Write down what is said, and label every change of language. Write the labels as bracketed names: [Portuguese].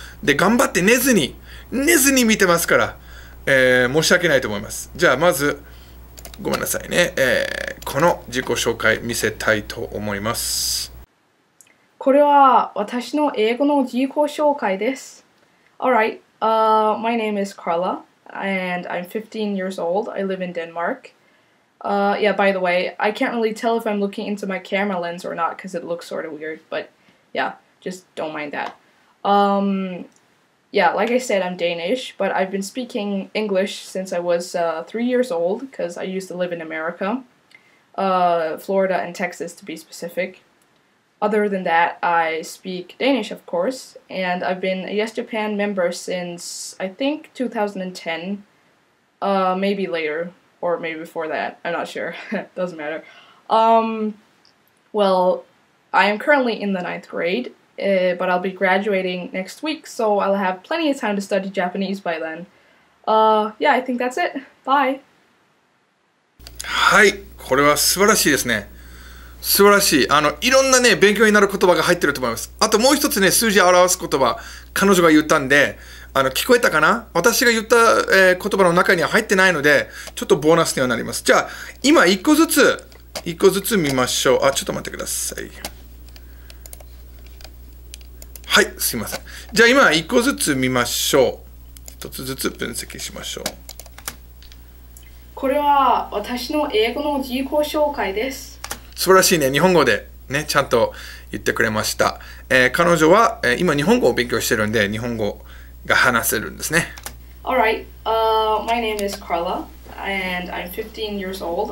[Japanese] で、頑張って寝ずに見てますから、申し訳ないと思います。じゃあまず、ごめんなさいね、この自己紹介見せたいと思います。これは私の英語の自己紹介です。 [English] Alright,、my name is Carla and I'm 15 years old. I live in Denmark. Yeah, by the way, I can't really tell if I'm looking into my camera lens or not because it looks sort of weird, but yeah, just don't mind that. Yeah, like I said, I'm Danish, but I've been speaking English since I was 3 years old because I used to live in America, Florida and Texas to be specific. Other than that, I speak Danish, of course, and I've been a Yes Japan member since, I think, 2010, maybe later, or maybe before that, I'm not sure, doesn't matter. Well, I am currently in the 9th grade. But I'll be graduating next week, so I'll have plenty of time to study Japanese by then. Yeah, I think that's it. Bye! [Japanese] はい、これは素晴らしいですね。素晴らしい。いろんなね、勉強になる言葉が入ってると思います。あともう一つね、数字を表す言葉、彼女が言ったんで、聞こえたかな？私が言った、言葉の中には入ってないので、ちょっとボーナスにはなります。じゃあ、今一個ずつ見ましょう。あ、ちょっと待ってください。はい、すいません。じゃあ今1個ずつ見ましょう。 1つずつ分析しましょう。これは私の英語の自己紹介です。素晴らしいね、日本語でね、ちゃんと言ってくれました。彼女は、今日本語を勉強してるんで日本語が話せるんですね。 [English] Alright,、my name is Carla and I'm 15 years old.